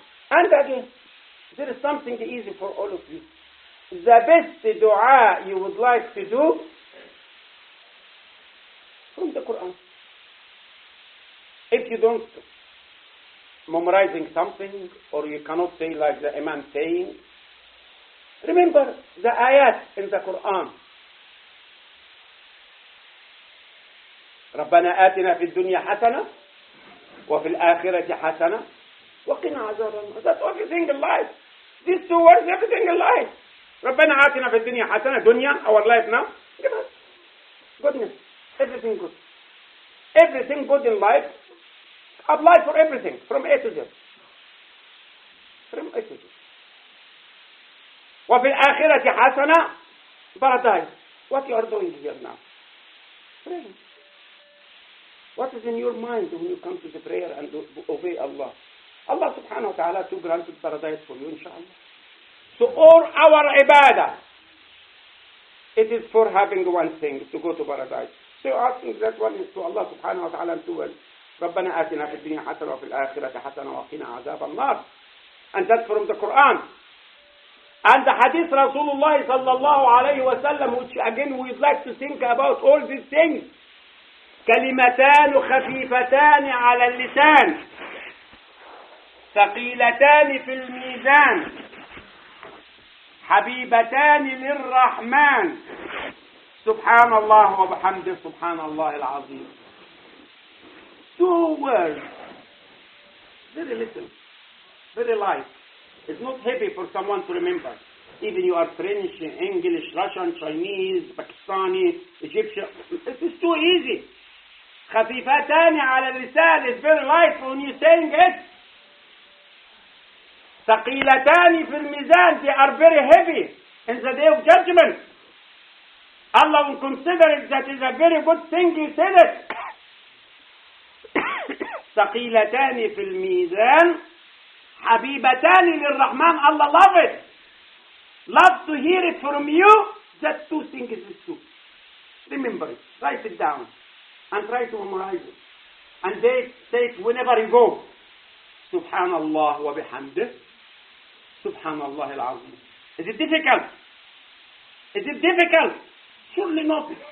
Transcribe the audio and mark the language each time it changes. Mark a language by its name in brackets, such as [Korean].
[English] And again, there is something easy for all of you. The best dua you would like to do from the Quran. If you don't memorizing something, or you cannot say like the imam saying, remember the ayat in the Quran. [Arabic] ربنا آتنا في الدنيا حسنة وفي الآخرة حسنة وقنا عذاب النار. [English] That's everything in life. These two words, everything in life. [Arabic] ربنا آتنا في الدنيا حسنة, دنيا, [English] our life now. Goodness. Everything good. Everything good in life applies for everything, from A to Z. From A to Z. [Arabic] وفي الآخرة حسنة paradise. [English] What you are doing here now? Praying. What is in your mind when you come to the prayer and obey Allah? Allah subhanahu wa ta'ala to grant the paradise for you, inshallah. So all our ibadah, it is for having one thing, to go to paradise. So you're asking that one is to Allah subhanahu wa ta'ala and to us. [Arabic] رَبَّنَا آتِنَا فِي الدِّنْيَا حَسَنَةً وَفِي الْآخِرَةِ حَسَنَةً وَقِنَا عَذَابَ النَّارِ. [English] And that's from the Quran. And the hadith Rasulullah sallallahu alayhi wa sallam, which again we'd like to think about all these things. [Arabic] كلمتان خفيفتان على اللسان ثقيلتان في الميزان حبيبتان للرحمن سبحان الله وبحمده سبحان الله العظيم. [English] Two words, very little, very light. It's not heavy for someone to remember. Even you are French, English, Russian, Chinese, Pakistani, Egyptian. It's too easy. [Arabic] خفيفتان على اللسان [English] is very light when you're saying it. [Arabic] ثقيلتان في الميزان, [English] they are very heavy in the day of judgment. Allah will consider it that is a very good thing you said it. [Arabic] ثقيلتان في الميزان حبيبتان للرحمن. [English] Allah love it. Love to hear it from you that two things is two. Remember it. Write it down. And try to memorize it. And they say it whenever you go. [Arabic] Subhanallah wa bihamdih. Subhanallah al-Azim. [English] Is it difficult? Is it difficult? Surely not.